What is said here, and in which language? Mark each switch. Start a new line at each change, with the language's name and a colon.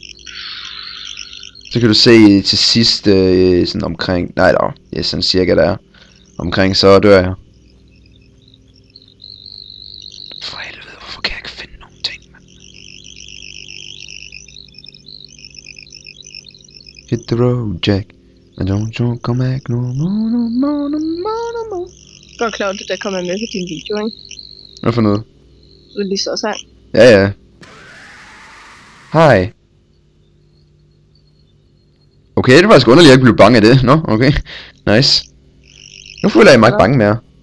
Danish: Ja, okay. Så kan du se til sidst sådan omkring, nej da, ja, sådan cirka der, omkring, så dør jeg. For helvede, hvorfor kan jeg ikke finde nogen ting, man?
English: Hit the road, Jack, and don't you come back no more, no more, no more, no more.
Danish: Godt klar, det der kommer med på din video, ikke? Hvad for noget? Du lige så sang. Ja, ja. Hej. Okay, det var faktisk underligt, at jeg ikke blev bange af det. Nå, okay. Nice. Nu føler jeg mig ikke bange mere.